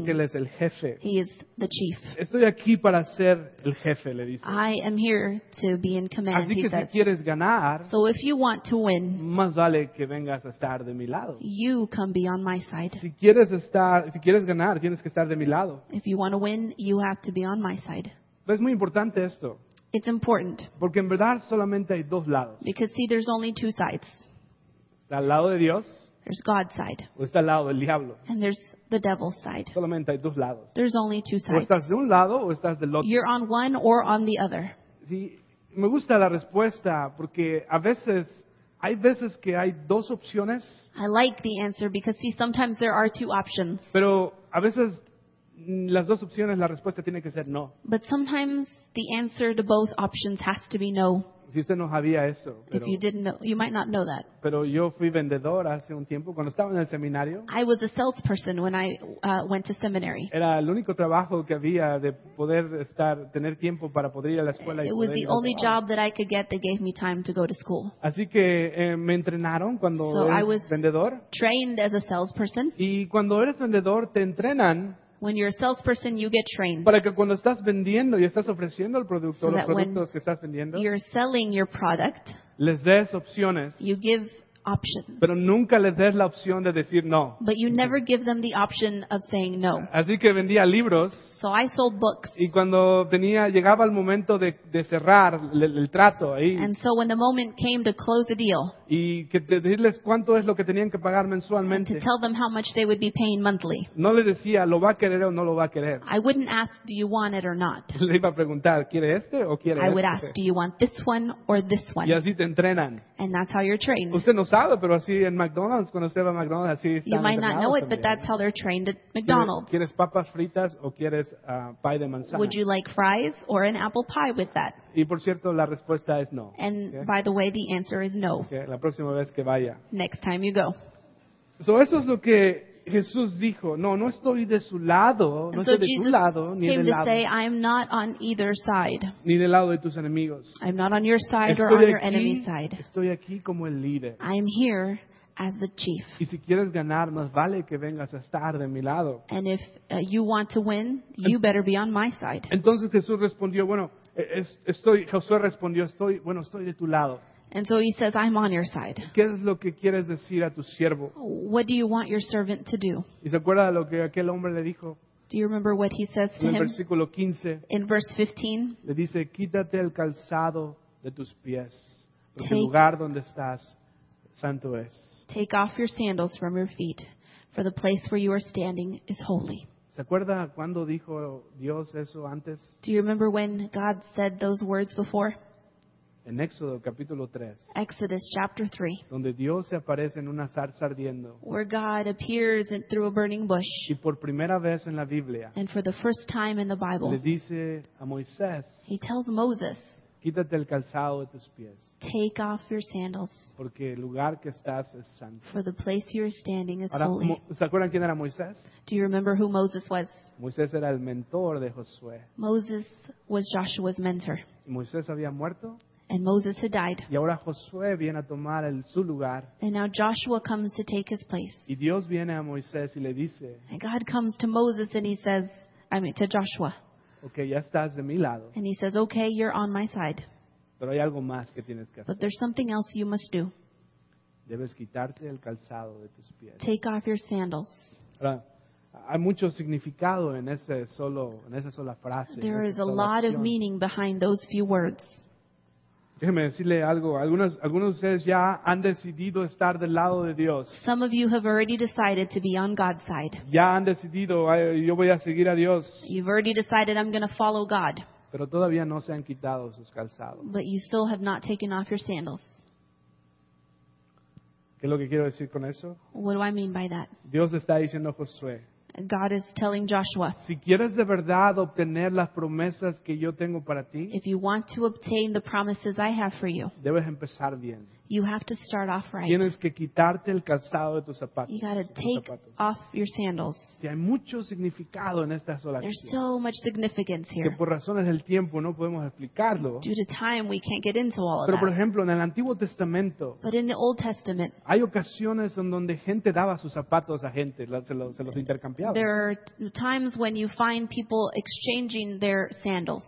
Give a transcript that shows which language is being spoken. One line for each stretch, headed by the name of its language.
Spanish: Porque él es el jefe.
English: He is the chief.
Spanish: Estoy aquí para ser el jefe, le dice.
English: I am here to be in command,
Spanish: así que
English: he says.
Spanish: Si quieres ganar,
English: so if you want to win,
Spanish: más vale que vengas a estar de mi lado.
English: You come be on my side.
Spanish: Si quieres ganar, tienes que estar de mi lado.
English: If you want to win, you have to be on my side.
Spanish: Es muy importante esto.
English: It's important.
Spanish: Porque en verdad solamente hay dos lados.
English: Because see, there's only two sides.
Spanish: Está al lado de Dios.
English: There's God's side.
Spanish: O está al lado del diablo.
English: And there's the devil's side.
Spanish: Solamente hay dos lados.
English: There's only two sides.
Spanish: O estás de un lado o estás del otro.
English: You're on one or on the other.
Spanish: Sí, me gusta la respuesta porque a veces hay veces que hay dos opciones.
English: I like the answer because see, sometimes there are two options.
Spanish: Pero a veces las dos opciones, la respuesta tiene que ser no.
English: But sometimes the answer to both options has to be no.
Spanish: Si usted no sabía eso, pero,
English: if you didn't know, you might not know that.
Spanish: Pero yo fui vendedor hace un tiempo cuando estaba en el seminario.
English: I was a salesperson when I went to seminary.
Spanish: Era el único trabajo que había de poder estar, tener tiempo para poder ir a la escuela.
English: It was the only job that I could get that gave me time to go to school.
Spanish: Así que me entrenaron cuando eres vendedor.
English: So I was trained as a salesperson.
Spanish: Y cuando eres vendedor te entrenan.
English: When you're a salesperson, you get trained.
Spanish: Para que cuando estás vendiendo y estás ofreciendo el producto, los productos que estás vendiendo,
English: you're selling your product,
Spanish: les des opciones.
English: You give options.
Spanish: Pero nunca les des la opción de decir no.
English: But you never give them the option of saying no.
Spanish: Así que vendía libros.
English: So I sold books.
Spanish: Y cuando llegaba el momento de cerrar el trato ahí.
English: And so when the moment came to close the deal.
Spanish: Y que de decirles cuánto es lo que tenían que pagar mensualmente.
English: And to tell them how much they would be paying monthly.
Spanish: No les decía lo va a querer o no lo va a querer.
English: I wouldn't ask do you want it or not.
Spanish: Le iba a preguntar ¿quiere este o quiere este?
English: I would ask do you want this one or this one.
Spanish: Y así te entrenan.
English: And that's how you're trained.
Spanish: Usted no sabe, pero así en McDonald's cuando usted va a McDonald's así están.
English: You might not know
Spanish: también.
English: It, but that's how they're trained at McDonald's.
Spanish: ¿Quieres papas fritas o quieres pie de manzana?
English: Would you like fries or an apple pie with that?
Spanish: Y por cierto, la respuesta es no.
English: And okay? By the way, the answer is no.
Spanish: Okay, la próxima vez que vaya.
English: Next time you go.
Spanish: So eso es lo que Jesús dijo. No estoy de su lado, no
English: so
Spanish: estoy de
English: Jesus
Spanish: tu lado, ni
English: came
Spanish: del lado.
English: To say, I'm not on either side.
Spanish: Ni del lado de tus enemigos.
English: I'm not on your side
Spanish: estoy
English: or on
Spanish: aquí,
English: your enemy's side.
Spanish: Estoy aquí como el líder.
English: I'm here as the chief.
Spanish: Y si quieres ganar, más vale que vengas a estar de mi lado.
English: And if you want to win, you better be on my side.
Spanish: Entonces Jesús respondió, bueno, estoy, Josué respondió, estoy, bueno, estoy de tu lado.
English: And so he says, I'm on your side.
Spanish: ¿Qué es lo que quieres decir a tu siervo?
English: What do you want your servant to do?
Spanish: ¿Y se acuerda lo que aquel hombre le dijo?
English: Do you remember what he says to him?
Spanish: En el versículo 15.
English: In verse 15.
Spanish: Le dice, quítate el calzado de tus pies, porque el lugar donde estás santo es.
English: Take off your sandals from your feet, for the place where you are standing is holy.
Spanish: ¿Se acuerda cuando dijo Dios eso antes?
English: Do you remember when God said those words before?
Spanish: En Éxodo capítulo 3.
English: Exodus chapter 3.
Spanish: Donde Dios se aparece en una zarza ardiendo.
English: Where God appears through a burning bush.
Spanish: Y por primera vez en la Biblia.
English: And for the first time in the Bible.
Spanish: Le dice a Moisés.
English: He tells Moses.
Spanish: Quítate el calzado de tus pies.
English: Take off your sandals.
Spanish: Porque el lugar que estás es santo.
English: For the place you're standing is
Spanish: ahora,
English: holy.
Spanish: ¿Se acuerdan quién era Moisés?
English: Do you remember who Moses was?
Spanish: Moisés era el mentor de Josué.
English: Moses was Joshua's mentor.
Spanish: Y Moisés había muerto.
English: And Moses had died.
Spanish: Y ahora Josué viene a tomar su lugar.
English: And now Joshua comes to take his place.
Spanish: Y Dios viene a Moisés y le dice.
English: And God comes to Moses and he says, I mean to Joshua.
Spanish: Okay, ya estás de mi lado.
English: And he says, okay, you're on my side.
Spanish: Pero hay algo más que tienes que hacer.
English: But there's something else you must do.
Spanish: Debes quitarte el calzado de tus pies.
English: Take off your sandals.
Spanish: Ahora, hay mucho significado en ese solo, en esa sola frase.
English: There is a lot of meaning behind those few words.
Spanish: Déjeme decirle algo. Algunos de ustedes ya han decidido estar del lado de Dios.
English: Some of you have already decided to be on God's side.
Spanish: Ya han decidido, yo voy a seguir a Dios.
English: You've already decided I'm going to follow God.
Spanish: Pero todavía no se han quitado sus calzados.
English: But you still have not taken off your sandals. Ok,
Spanish: ¿Qué es lo que quiero decir con eso?
English: What do I mean by that?
Spanish: Dios está diciendo a Josué.
English: God is telling Joshua.
Spanish: Si quieres de verdad obtener las promesas que yo tengo para ti.
English: If you want to obtain the promises I have for you.
Spanish: Debes empezar bien.
English: You have to start off right.
Spanish: Tienes que quitarte el calzado de tus zapatos.
English: You got to take off your sandals.
Spanish: Si hay mucho significado en esta sola
English: acción. There's so much significance here.
Spanish: Que por razones del tiempo no podemos explicarlo.
English: Due to time, we can't get into all of
Spanish: that. Pero por ejemplo, en el Antiguo Testamento.
English: But in the Old Testament.
Spanish: Hay ocasiones en donde gente daba sus zapatos a gente, se los intercambiaba.
English: There are times when you find people exchanging their sandals.